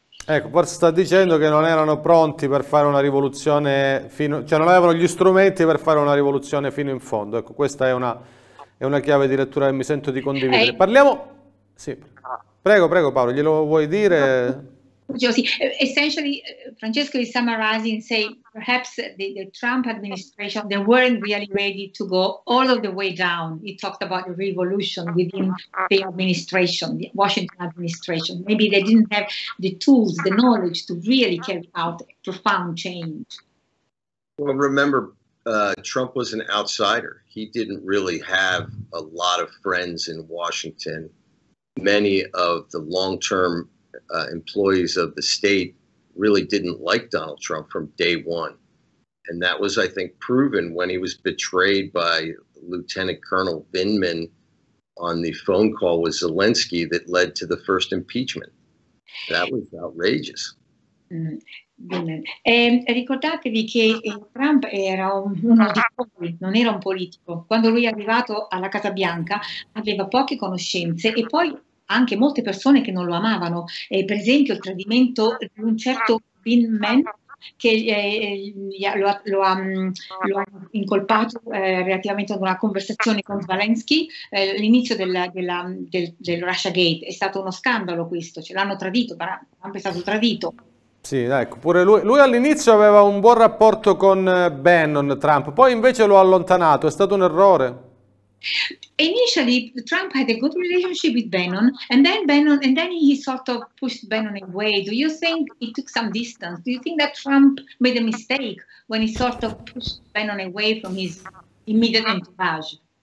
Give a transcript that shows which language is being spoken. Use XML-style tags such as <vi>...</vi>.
<it>Ecco, forse sta dicendo che non erano pronti per fare una rivoluzione non avevano gli strumenti per fare una rivoluzione fino in fondo. Ecco, questa è una chiave di lettura che mi sento di condividere. Parliamo. Sì. Prego, prego Paolo, glielo vuoi dire? No.</it> <en>Essentially, Francesco is summarizing, say, perhaps the Trump administration, they weren't really ready to go all of the way down. He talked about the revolution within the administration, the Washington administration. Maybe they didn't have the tools, the knowledge to really carry out a profound change. Well, remember, Trump was an outsider. He didn't really have a lot of friends in Washington. Many of the long-term employees of the state really didn't like Donald Trump from day one. And that was, I think, proven when he was betrayed by Lieutenant Colonel Vindman on the phone call with Zelensky that led to the first impeachment. That was outrageous.</en> <it>Ricordatevi che Trump era uno di noi, non era un politico. Quando lui è arrivato alla Casa Bianca aveva poche conoscenze e poi anche molte persone che non lo amavano, per esempio il tradimento di un certo Vindman che lo ha incolpato relativamente ad una conversazione con Zelensky, l'inizio del Russia Gate, è stato uno scandalo questo, ce l'hanno tradito, Trump è stato tradito. Sì, ecco, pure lui all'inizio aveva un buon rapporto con Bannon, Trump, poi invece lo ha allontanato, è stato un errore.</it> <en>Initially, Trump had a good relationship with Bannon, and then he sort of pushed Bannon away. Do you think he took some distance? Do you think that Trump made a mistake when he sort of pushed Bannon away from his immediate entourage?</en>